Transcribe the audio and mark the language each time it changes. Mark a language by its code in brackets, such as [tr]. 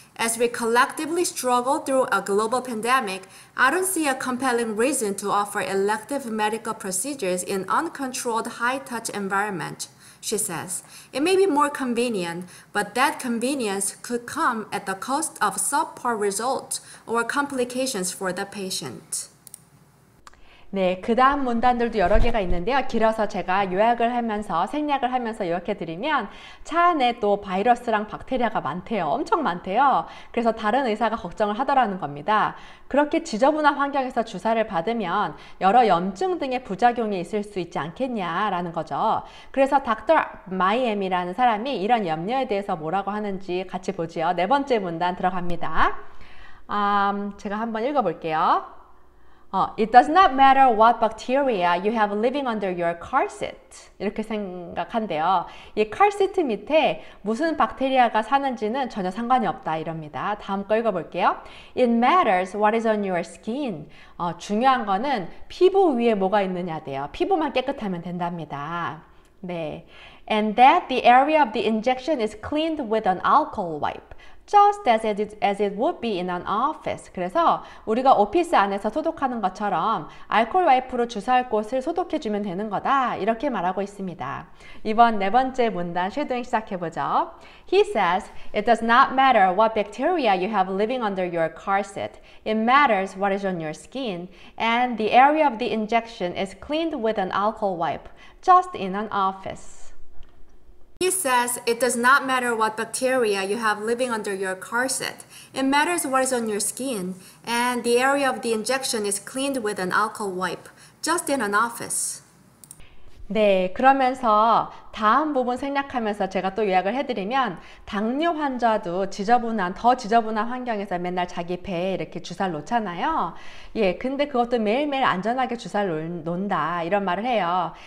[en] As we collectively struggle through a global pandemic, I don't see a compelling reason to offer elective medical procedures in uncontrolled high-touch environment, she says. It may be more convenient, but that convenience could come at the cost of subpar results or complications for the patient. [ko] 네, 그 다음 문단들도 여러 개가 있는데요. 길어서 제가 요약을 하면서, 생략을 하면서 요약해 드리면, 차 안에 또 바이러스랑 박테리아가 많대요. 엄청 많대요. 그래서 다른 의사가 걱정을 하더라는 겁니다. 그렇게 지저분한 환경에서 주사를 받으면 여러 염증 등의 부작용이 있을 수 있지 않겠냐라는 거죠. 그래서 닥터 마이엠이라는 사람이 이런 염려에 대해서 뭐라고 하는지 같이 보지요. 네 번째 문단 들어갑니다. 제가 한번 읽어볼게요. [en] It does not matter what bacteria you have living under your car seat. [ko] 이렇게 생각한대요. 이칼 시트 밑에 무슨 박테리아가 사는지는 전혀 상관이 없다. 이럽니다. 다음 거 읽어볼게요. [en] It matters what is on your skin. [ko] 중요한 거는 피부 위에 뭐가 있느냐 돼요. 피부만 깨끗하면 된답니다. 네. [en] And that the area of the injection is cleaned with an alcohol wipe. Just as it would be in an office. 그래서 우리가 오피스 안에서 소독하는 것처럼 알코올 와이프로 주사할 곳을 소독해주면 되는 거다. [ko] 이렇게 말하고 있습니다. 이번 네 번째 문단, 쉐도잉 시작해보죠. [en] He says, It does not matter what bacteria you have living under your car seat. It matters what is on your skin. And the area of the injection is cleaned with an alcohol wipe. Just in an office. He says it does not matter what bacteria you have living under your car seat. It matters what is on your skin, and the area of the injection is cleaned with an alcohol wipe, just in an office. [ko] 네, 그러면서 다음 부분 생략하면서 제가 또 요약을 해드리면, 당뇨 환자도 지저분한, 더 지저분한 환경에서 맨날 자기 배에 이렇게 주사를 놓잖아요. 예, 근데 그것도 매일매일 안전하게 주사를 놓는다. 이런 말을 해요.